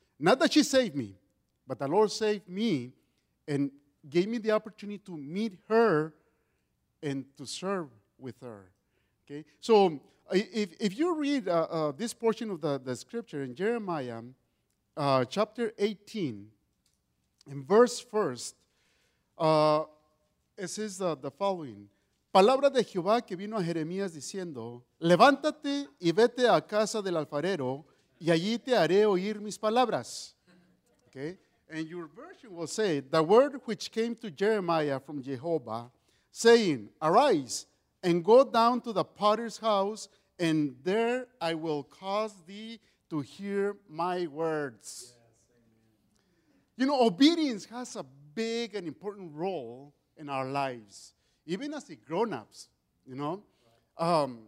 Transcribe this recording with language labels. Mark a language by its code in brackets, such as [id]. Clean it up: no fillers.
[en] Not that she saved me, but the Lord saved me and gave me the opportunity to meet her and to serve with her, okay? So, if you read this portion of the scripture in Jeremiah chapter 18, In verse first, it says the following. [es] Palabra de Jehová que vino a Jeremías diciendo, levántate y vete a casa del alfarero y allí te haré oír mis palabras. [en] Okay. And your version will say, the word which came to Jeremiah from Jehovah, saying, arise and go down to the potter's house, and there I will cause thee to hear my words. Yes, you know, obedience has a big and important role in our lives, even as the grown-ups, you know. Right.